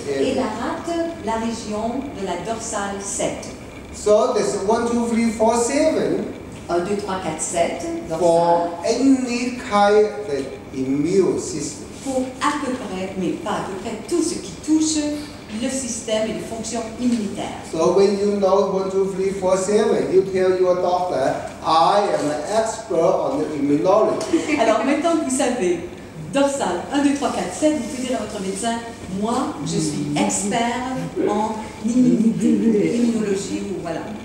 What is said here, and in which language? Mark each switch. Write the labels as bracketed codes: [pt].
[fr] Et la rate, la région de la dorsale 7. [en] So, there's 1, 2, 3, 4, 7. 1, 2, 3, 4, 7. For any kind of the immune system. [fr] Pour à peu près, mais pas à peu près, tout ce qui touche le système et les fonctions immunitaires. [en] So when you know 1, 2, 3, 4, 7, you tell your doctor, I am an expert on the immunology. [fr] Alors maintenant que vous savez, dorsale 1, 2, 3, 4, 7, vous pouvez dire à votre médecin, moi, je suis expert en immunologie, ou voilà.